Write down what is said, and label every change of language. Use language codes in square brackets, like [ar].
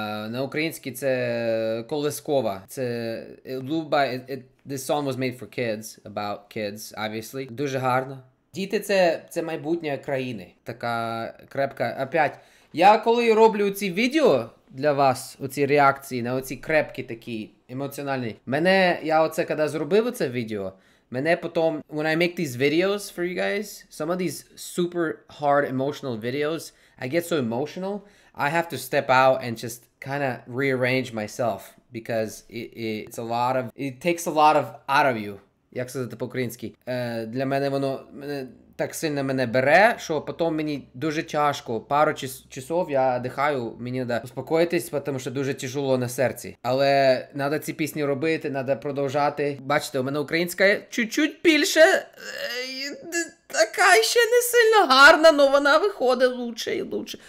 [uk] На українські це колискова. Це lullaby. [en] This song was made for kids, about kids, obviously. [uk] Дуже гарно. Діти це майбутнє країни. Така крепка. Опять. Я коли роблю ці відео для вас, оці реакції на оці крепкі такі емоціональні. Мене я оце коли зробив це відео. Мене потім, [en] when I make these videos for you guys, some of these super hard emotional videos, I get so emotional, I have to step out and just kind of rearrange myself because it takes a lot of out of you. [uk] Як сказати по-українськи? Для мене воно так сильно мене бере, що потім мені дуже тяжко. Пару часів я дихаю, мені треба успокоїтись, тому що дуже тяжело на серці. Але треба ці пісні робити, треба продовжати. Бачите, у мене українська чуть-чуть більше, така ще не сильно гарна, але вона виходить лучше і лучше.